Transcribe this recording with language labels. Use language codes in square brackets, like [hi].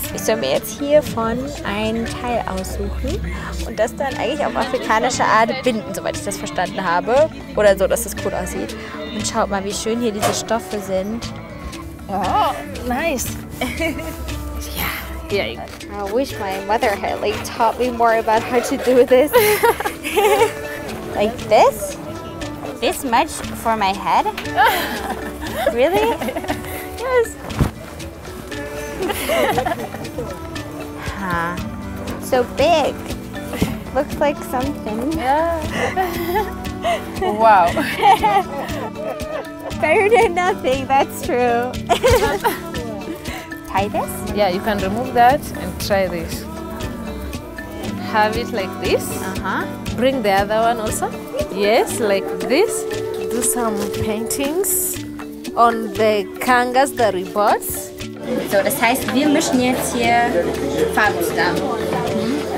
[de] Ich soll mir jetzt hier von einem Teil aussuchen und das dann eigentlich auf afrikanische Art binden, soweit ich das verstanden habe. Oder so, dass das cool aussieht. Und schaut mal, wie schön hier diese Stoffe sind. [en] Oh, nice. I wish my mother had like taught me more about how to do this. Like this? This much for my head? Really? Yes. Huh. So big. Looks like something. Yeah. Wow. Better than nothing, that's true. Tie this? Yeah, you can remove that and try this. Have it like this. Uh-huh. Bring the other one also. Yes, like this. Do some paintings on the kangas, the ribbons. [de] So das heißt, wir mischen jetzt hier Farbe zusammen.